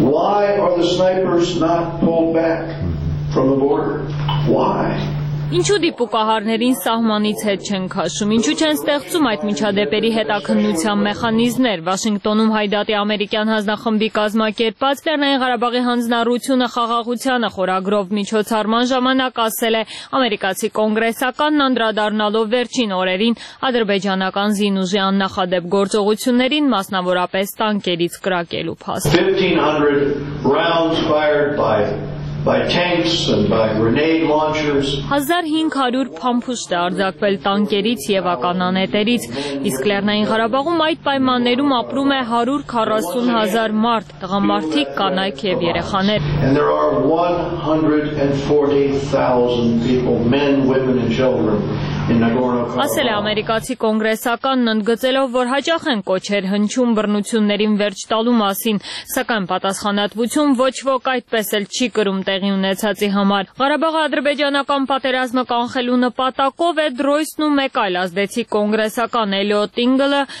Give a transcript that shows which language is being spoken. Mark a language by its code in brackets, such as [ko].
[en] Why are the snipers not pulled back from the border? Why? [hy] Ինչու դիպուկահարներին սահմանից հետ չեն քաշում, ինչու չեն ստեղծում այդ միջադեպերի հետաքննության մեխանիզմներ։ Վաշինգտոնում հայդատի ամերիկյան հանձնախմբի կազմակերպած Լեռնային Ղարաբաղի հանձնառությունը խաղաղությանը խորագրով միջոցառման ժամանակ ասել է ամերիկացի կոնգրեսականն, անդրադառնալով վերջին օրերին ադրբեջանական զինուժի աննախադեպ գործողություններին, մասնավորապես տանկերից կրակելու փաստ։ [en] 1500 rounds fired by tanks and by grenade launchers. [hy] 1500 փամփուշտ է արձակվել տանկերից եւ ականանետերից, իսկ Լեռնային Ղարաբաղում այդ պայմաններում ապրում է 140,000 մարդ՝ տղամարդիկ, կանայք եւ երեխաներ։ [en] And there are 140,000 people, men, women and children. [hy] Ասել է ամերիկացի կոնգրեսականն, ընդգծելով, որ հաճախ են կոչեր հնչում բռնություններին վերջ տալու մասին, սակայն պատասխանատվություն ոչ ոք այդպես էլ չի կրում տեղի ունեցածի համար։ Ղարաբաղը ադրբեջանական պատերազմը կանխելու նպատակով Էդ Ռոյսն ու մեկ այլ ազդեցի կոնգրեսական Էլիոտ Տինգլը